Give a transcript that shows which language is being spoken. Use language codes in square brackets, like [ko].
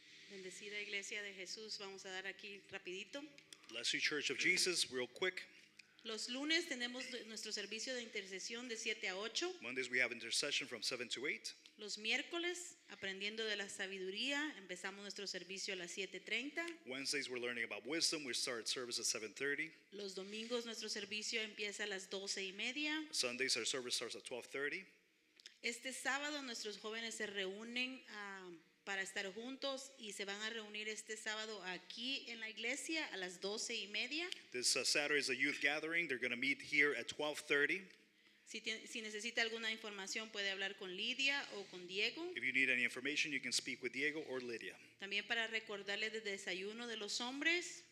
[es] Bendecida Iglesia de Jesús, vamos a dar aquí rapidito. [en] Bless you, Church of Jesus, real quick. [es] Los lunes tenemos nuestro servicio de intercesión de 7 a 8. [en] Mondays we have intercession from 7 to 8. [es] Los miércoles, aprendiendo de la sabiduría, empezamos nuestro servicio a las 7:30. [en] Wednesdays we're learning about wisdom, we start service at 7:30. [es] Los domingos nuestro servicio empieza a las 12:30. [en] Sundays our service starts at 12:30. [es] Este sábado nuestros jóvenes se reúnen para estar juntos y se van a reunir este sábado aquí en la iglesia a las 12:30. [en] This Saturday is a youth gathering. They're going to meet here at 12:30. [es] Si necesita alguna información puede hablar con Lidia o con Diego. [en] If you need any information, you can speak with Diego or Lydia. [es] También para recordarles del desayuno de los hombres.